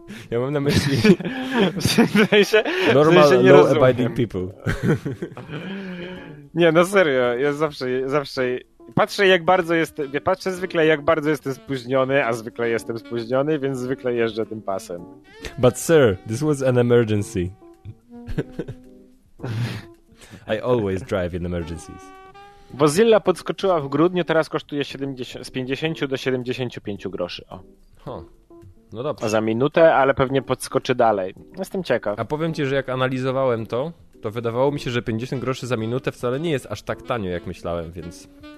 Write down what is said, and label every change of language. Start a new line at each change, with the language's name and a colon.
Polish: Ja mam na myśli... W sensie,
English: normal,
Polish: w sensie
English: law-abiding people.
Polish: Nie, no serio, ja zawsze... Patrzę, jak bardzo jestem... Patrzę zwykle, jak bardzo jestem spóźniony, a zwykle jestem spóźniony, więc zwykle jeżdżę tym pasem.
English: But sir, this was an emergency. I always drive in emergencies.
Polish: Vozilla podskoczyła w grudniu, teraz kosztuje 70, z 50 do 75 groszy. O. No dobrze. Za minutę, ale pewnie podskoczy dalej. Jestem ciekaw. A powiem ci, że jak analizowałem to, to wydawało mi się, że 50 groszy za minutę wcale nie jest aż tak tanio, jak myślałem, więc...